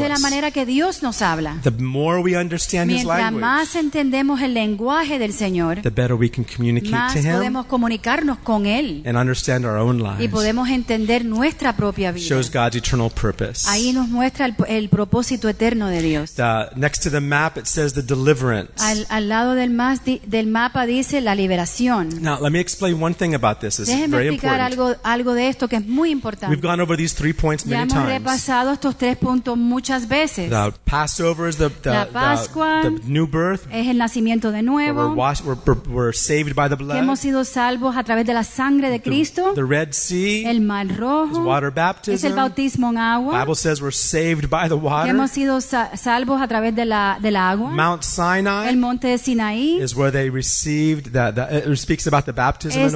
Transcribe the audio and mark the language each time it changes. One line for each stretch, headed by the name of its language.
Spanish: Es de la manera que Dios nos habla.
English: The more we understand
Spanish: Mientras más entendemos el lenguaje del Señor,
English: the better we can communicate to Him,
Spanish: más podemos comunicarnos con Él,
English: and understand our own lives.
Spanish: Y podemos entender nuestra propia vida.
English: Shows God's eternal purpose.
Spanish: Ahí nos muestra el propósito eterno de Dios.
English: Next to the map, it says the deliverance.
Spanish: Al lado del mapa dice la liberación.
English: Now, let me explain one thing about this. This
Spanish: Déjeme
English: is very
Spanish: explicar
English: important.
Spanish: Algo de esto que es muy importante.
English: We've gone over these 3 points many
Spanish: ya hemos repasado
English: times.
Spanish: Estos tres puntos muchas veces.
English: The Passover is the new birth.
Spanish: Es el nacimiento de nuevo.
English: We're saved by the blood.
Spanish: Que hemos sido salvos a través de la sangre de Cristo.
English: The Red Sea.
Spanish: El Mar Rojo.
English: Is water baptism.
Spanish: Es el bautismo en agua.
English: The Bible says we're saved by the water.
Spanish: Que hemos sido salvos a través de la agua.
English: Mount Sinai.
Spanish: El monte de Sinaí.
English: Is where they received it speaks about the baptism